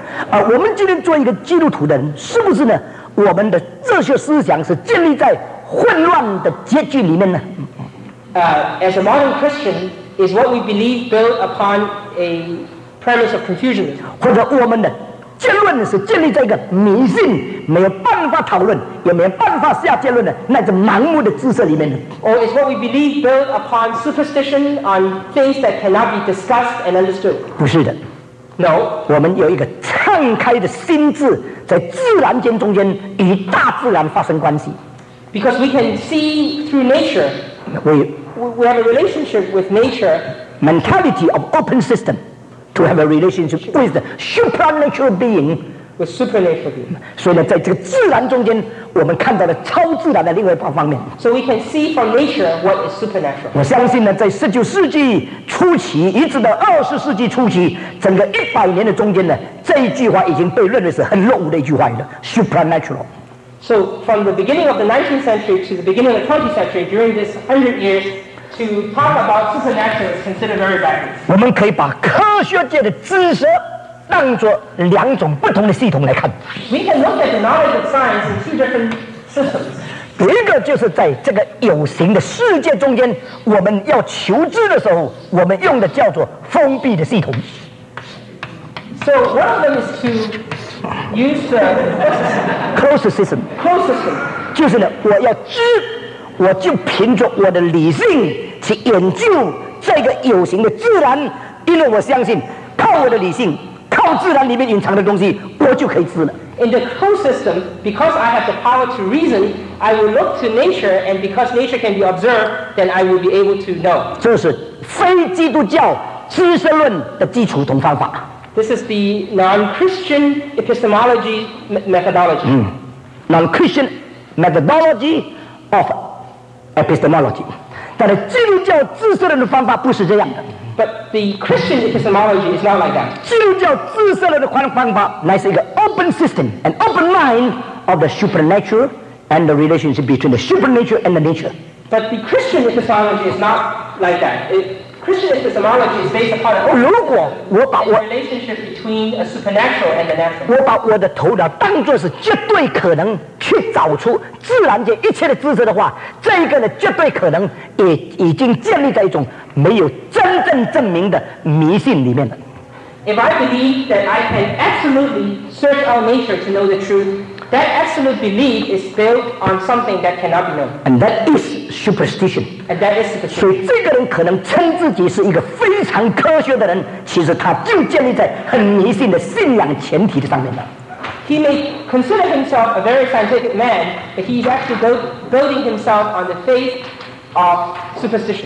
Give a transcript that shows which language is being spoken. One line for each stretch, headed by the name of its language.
Chinese: 我们今天做一个基督徒的人，是不是呢？我们的这些思想是建立在混乱的结局里面呢？
English: As a modern Christian, is what we believe built upon a premise of confusion?
Chinese: 或者我们的结论是建立在一个迷信，没有办法讨论，也没有办法下结论的那种盲目的知识里面呢？
English: Or is what we believe built upon superstition on things that cannot be discussed and understood?
Chinese: 不是的。
English: No,
Chinese: 我们有一个敞开的心智，在自然间中间与大自然发生关系。
English: Because we can see through nature, we have a relationship with nature. Mentality of open system to have a relationship with the supernatural being. With supernatural being.
Chinese: 所以呢，在这个自然中间，我们看到了超自然的另外一方面。
English: So we can see from nature what is supernatural.
Chinese: 我相信呢，在十九世纪初期一直到二十世纪初期，整个一百年的中间呢，这一句话已经被认为是很落伍的一句话了 ，supernatural.
English: So from the beginning of the 19th century to the beginning of the 20th century, during this 100 years, to talk about supernatural is considered very bad.
Chinese: 我们可以把科学界的知识当作两种不同的系统来看。
English: We can look at the knowledge of science in two different systems.
Chinese: 一个就是在这个有形的世界中间，我们要求知的时候，我们用的叫做封闭的系统。
English: So one of them is to use the closed system. Closed system.
Chinese: 就是呢，我要知，我就凭着我的理性去研究这个有形的自然，因为我相信靠我的理性。靠自然里面隐藏的东西，我就可以知了。
English: In the closed system, because I have the power to reason, I will look to nature, and because nature can be observed, then I will be able to know.
Chinese: 这是非基督教知识论的基础同方法。
English: This is the non-Christian epistemology methodology. Non-Christian methodology of epistemology.
Chinese: 但是基督教知识论的方法不是这样的。
English: But the Christian epistemology is not like that.
Chinese: 基督教知识论的方法乃是一个
English: open system, an open mind of the supernatural and the relationship between the supernatural and the nature. But the Christian epistemology is not like that. Christian epistemology is based upon an open system,
Chinese: 如果我把我
English: relationship between a supernatural and the natural.
Chinese: 我把我的头脑当作是绝对可能去找出自然界一切的知识的话，这一个呢绝对可能也已经建立在一种没有真正证明的迷信里面了。
English: If I believe that I can absolutely search out nature to know the truth, that absolute belief is built on something that cannot be known. And that is superstition. And that is superstition.
Chinese: 所以这个人可能称自己是一个非常科学的人，其实他就建立在很迷信的信仰前提的上面了。
English: He may consider himself a very scientific man, but he is actually building himself on the faith of superstition.